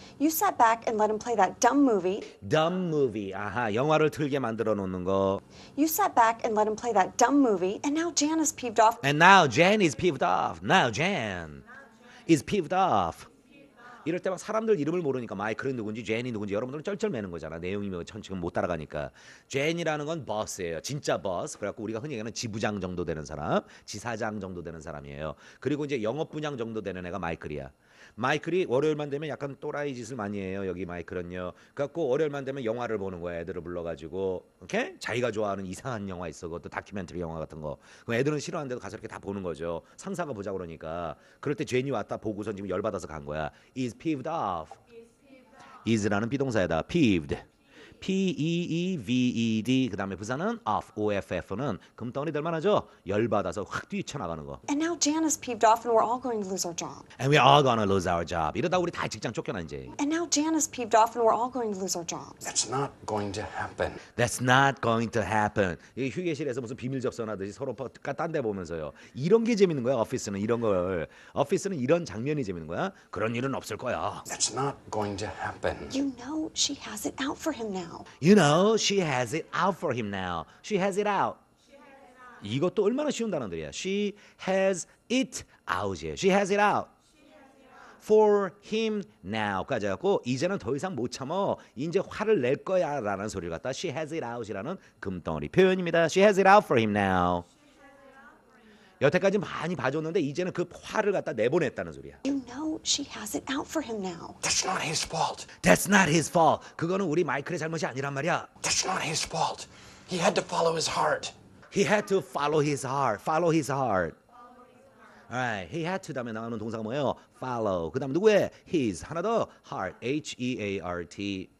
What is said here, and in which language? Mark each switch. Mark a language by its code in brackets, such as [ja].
[en] You sat back and let him play that dumb movie. Dumb movie. [ko] 아하, 영화를 틀게 만들어 놓는 거. [en] You sat back and let him play that dumb movie. And now Jan is peeved off. And now Jan is peeved off. Now Jan is peeved off. [ko] 이럴 때 막 사람들 이름을 모르니까 마이클이 누군지 제인이 누군지 여러분들은 쩔쩔매는 거잖아. 내용이 전 지금 못 따라가니까. 제인이라는 건 버스예요. 진짜 버스. 그래갖고 우리가 흔히 얘기하는 지부장 정도 되는 사람, 지사장 정도 되는 사람이에요. 그리고 이제 영업부장 정도 되는 애가 마이클이야. 마이클이 월요일만 되면 약간 또라이 짓을 많이 해요. 여기 마이클은요. 그래갖고 월요일만 되면 영화를 보는 거야. 애들을 불러가지고. 오케이? 자기가 좋아하는 이상한 영화 있어. 그것도 다큐멘터리 영화 같은 거. 그럼 애들은 싫어하는데도 가서 이렇게 다 보는 거죠. 상사가 보자 그러니까. 그럴 때 제니 왔다 보고선 지금 열받아서 간 거야. [en] Is peeved off. Is라는 [ko] 비동사에다 [en] peeved. [ko] P-E-E-V-E-D 그 다음에 부사는 off, O-F-F는 금덩어리 될 만하죠? 열받아서 확 뛰쳐나가는 거. [en] And now Jan is peeved off and we're all going to lose our job. And we're all going to lose our job. [ko] 이러다 우리 다 직장 쫓겨나 이제. [en] And now Jan is peeved off and we're all going to lose our jobs. That's not going to happen. That's not going to happen. [ko] 이 휴게실에서 무슨 비밀 접선하듯이 서로 딴 데 보면서요. 이런 게 재밌는 거야, 오피스는 이런 걸. 오피스는 이런 장면이 재밌는 거야. 그런 일은 없을 거야. [en] That's not going to happen. You know she has it out for him now. You know, she has it out for him now. She has it out. [ko] 이것도 얼마나 쉬운 단어들이야. [en] She has it out [ko] 이에요. [en] She has it out. For him now. [ko] 까지였고 이제는 더 이상 못 참어. 이제 화를 낼 거야 라는 소리를 갖다 [en] She has it out [ko] 이라는 금덩어리 표현입니다. [en] She has it out for him now. [ko] 여태까지 많이 봐줬는데 이제는 그 화를 갖다 내보냈다는 소리야. [en] You know she has it out for him now. That's not his fault. That's not his fault. [ko] 그거는 우리 마이클의 잘못이 아니란 말이야. [en] That's not his fault. He had to follow his heart. He had to follow his heart. Follow his heart. Alright, he had to [ko] 다음에 나오는 동사가 뭐예요? [en] Follow. [ko] 그 다음 누구의? [en] His. [ko] 하나 더. [en] Heart. H-E-A-R-T.